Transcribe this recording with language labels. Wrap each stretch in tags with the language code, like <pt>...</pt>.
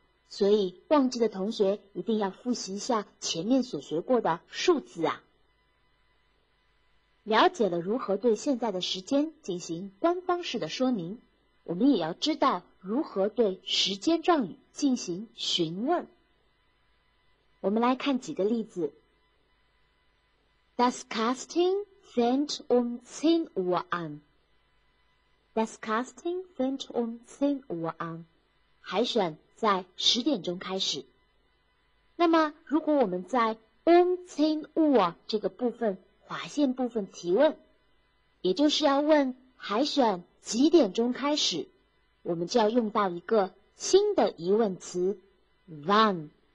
<zh>所以忘记的同学一定要复习一下前面所学过的数字啊。了解了如何对现在的时间进行官方式的说明，我们也要知道如何对时间状语进行询问。我们来看几个例子。</zh> <de>Das Casting fängt um 10 Uhr an. Das Casting fängt um 10 Uhr an.</de> <zh>海选在10点钟开始。那么如果我们在</zh> <de>um 10 Uhr</de> <zh>这个部分划线部分提问，也就是要问海选几点钟开始，我们就要用到一个新的疑问词 wann。</zh>